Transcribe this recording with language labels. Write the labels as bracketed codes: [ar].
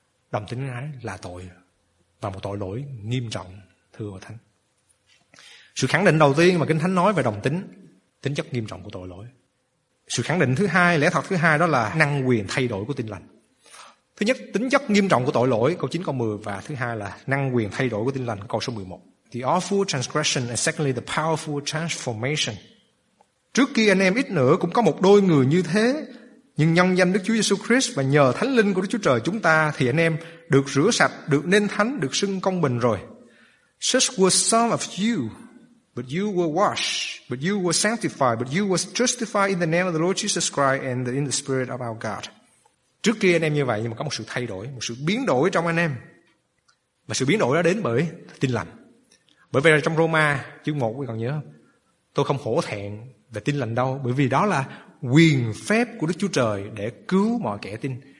[vi] Đồng tính ái là tội và một tội lỗi nghiêm trọng, thưa hội thánh. Sự khẳng định đầu tiên mà Kinh Thánh nói về đồng tính, tính chất nghiêm trọng của tội lỗi. Sự khẳng định thứ hai, lẽ thật thứ hai đó là năng quyền thay đổi của tin lành. Thứ nhất, tính chất nghiêm trọng của tội lỗi, câu 9, câu 10. Và thứ hai là năng quyền thay đổi của tin lành, câu số 11. [en] The awful transgression and secondly the powerful transformation. [vi] Trước kia anh em ít nữa cũng có một đôi người như thế, nhưng nhân danh Đức Chúa Giêsu Christ và nhờ Thánh Linh của Đức Chúa Trời chúng ta thì anh em được rửa sạch, được nên thánh, được xưng công bình rồi. [en] Such were some of you, but you were washed, but you were sanctified, but you were justified in the name of the Lord Jesus Christ and in the Spirit of our God. [vi] Trước kia anh em như vậy, nhưng mà có một sự thay đổi, một sự biến đổi trong anh em. Và sự biến đổi đó đến bởi tin lành. Bởi vì trong Roma, chương 1, quý vị còn nhớ không? Tôi không hổ thẹn về tin lành đâu, bởi vì đó là quyền phép của Đức Chúa Trời để cứu mọi kẻ tin.